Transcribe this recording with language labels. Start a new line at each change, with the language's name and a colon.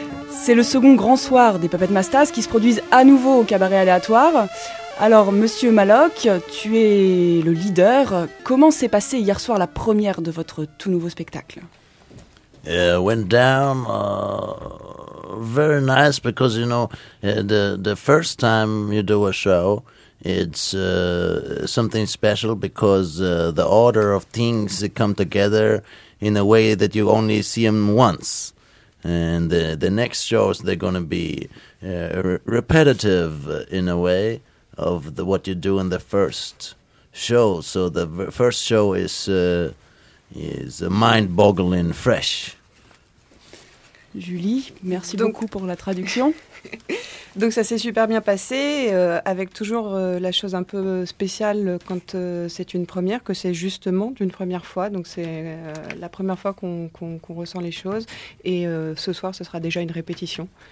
French: C'est le second grand soir des Puppet Mastaz qui se produisent à nouveau au cabaret aléatoire. Alors Monsieur Maloc, tu es le leader, comment s'est passée hier soir la première de votre tout nouveau spectacle ?
English: Very nice, because you know the first time you do a show, it's something special because the order of things come together in a way that you only see them once, and the next shows they're gonna be repetitive in a way of the what you do in the first show. So the first show is mind-boggling fresh.
French: Julie, merci beaucoup pour la traduction. Donc ça s'est super bien passé, avec toujours la chose un peu spéciale quand c'est une première, que c'est justement d'une première fois. Donc c'est la première fois qu'on ressent les choses. Et ce soir, ce sera déjà une répétition.